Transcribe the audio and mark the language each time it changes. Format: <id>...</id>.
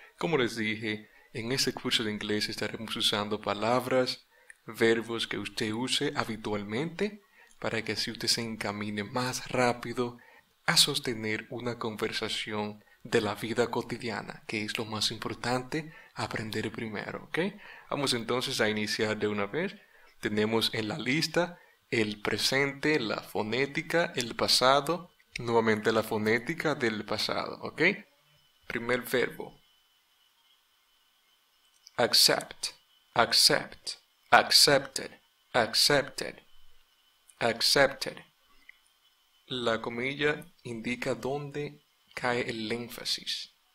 <es>Como les dije, en este curso de inglés estaremos usando palabras, verbos que usted use habitualmente para que así usted se encamine más rápido a sostener una conversación de la vida cotidiana, que es lo más importante aprender primero, ¿ok? Vamos entonces a iniciar de una vez. Tenemos en la lista el presente, la fonética, el pasado, nuevamente la fonética del pasado, ¿ok? Primer verbo.</es> <en>Accept, accept, accepted, accepted, accepted.</en> <es>La comilla indica dónde cae el énfasis.</es>